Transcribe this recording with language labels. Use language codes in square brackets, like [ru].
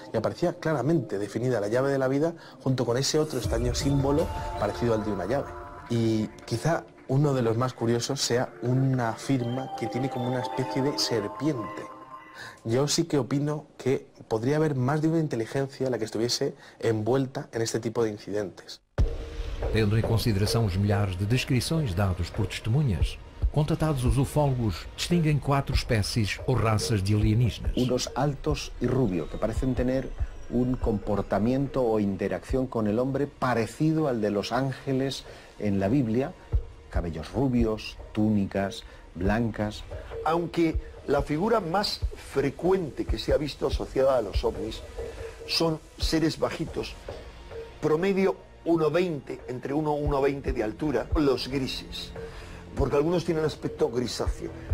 [es] Y aparecía claramente definida la llave de la vida junto con ese otro extraño símbolo parecido al de una llave. Y quizá uno de los más curiosos sea una firma que tiene como una especie de serpiente. Yo sí que opino que podría haber más de una inteligencia la que estuviese envuelta en este tipo de incidentes. [pt] Tendo em consideração os milhares de descrições dados por testemunhas, contatados os ufólogos distinguem quatro espécies ou raças de alienígenas. [es] Unos altos y rubios, que parecen tener un comportamiento o interacción con el hombre parecido al de los ángeles en la Biblia. Cabellos rubios, túnicas blancas. Aunque la figura más frecuente que se ha visto asociada a los ovnis son seres bajitos, promedio 1,20, entre 1,20 de altura, los grises, porque algunos tienen aspecto grisáceo.